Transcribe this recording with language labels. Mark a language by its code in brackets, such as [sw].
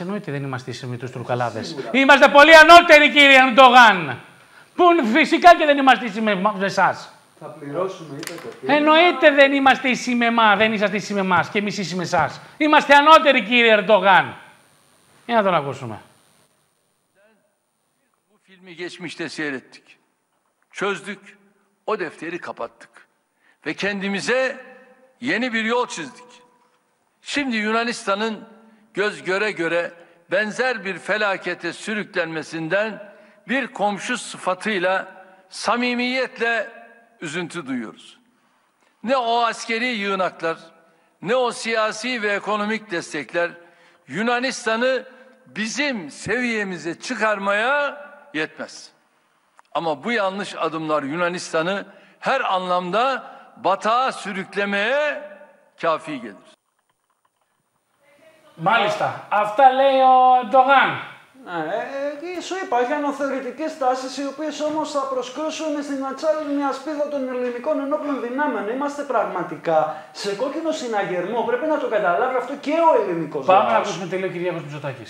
[el] Εννοείται δεν είμαστε ίση με τους Τουρκαλάδες. Είμαστε πολύ ανώτεροι, κύριε Ερντογάν. Που φυσικά και δεν είμαστε ίση με εσάς. Θα πληρώσουμε, είπε το κύριε. Εννοείται δεν είμαστε ίση με εμάς. Δεν είσαστε ίση με εμάς και εμείς ίση με εσάς. Είμαστε ανώτεροι, κύριε Ερντογάν. Για να τον ακούσουμε. [tr] Bu filmi geçmişte seyrettik. Çözdük. O defteri kapattık. Ve kendimize yeni bir yol çizdik. Şimdi Yunanistan'ın göz göre göre benzer bir felakete sürüklenmesinden bir komşu sıfatıyla samimiyetle üzüntü duyuyoruz. Ne o askeri yığınaklar, ne o siyasi ve ekonomik destekler Yunanistan'ı bizim seviyemize çıkarmaya yetmez. Ama bu yanlış adımlar Yunanistan'ı her anlamda batağa sürüklemeye kafi gelir. [el] Μάλιστα. Αυτά λέει ο Ερντογάν. Ναι, σου είπα, έχει αναθεωρητικές τάσεις, οι οποίες όμως θα προσκρούσουν στην ατσάλινη ασπίδα των ελληνικών ενόπλων δυνάμεων. Είμαστε πραγματικά σε κόκκινο συναγερμό. Πρέπει να το καταλάβει αυτό και ο ελληνικός λαός. Πάμε να ακούσουμε τι λέει ο Κυριάκος Μητσοτάκης.